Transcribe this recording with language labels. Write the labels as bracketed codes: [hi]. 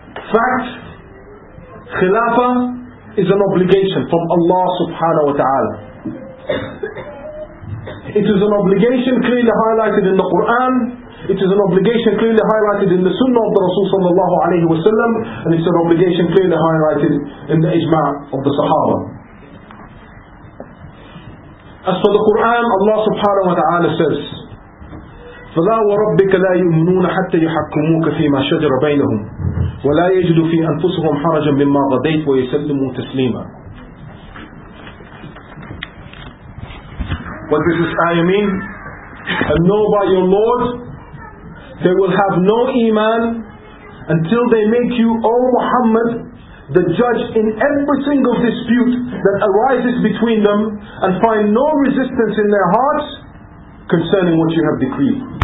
[en] Fact: Khilafah is an obligation from Allah subhanahu wa ta'ala. It is an obligation clearly highlighted in the Quran. It is an obligation clearly highlighted in the Sunnah of the Rasul sallallahu alayhi wa sallam. And it's an obligation clearly highlighted in the Ijma' of the Sahaba. As for the Quran, Allah subhanahu wa ta'ala says, [ar] فَلَا وَرَبِّكَ لَا يُؤْمِنُونَ حَتَّى يُحَكُّمُوكَ فِي مَا شَجَرَ بَيْنَهُمْ وَلَا يَجِدُ فِي أَنفُسِهُمْ حَرَجًا مِمَّا قَضَيْتَ وَيُسَلِّمُوا تَسْلِيمًا. [en] What does this ayah mean? And know by your Lord, they will have no iman until they make you, O Muhammad, the judge in every single dispute that arises between them, and find no resistance in their hearts concerning what you have decreed.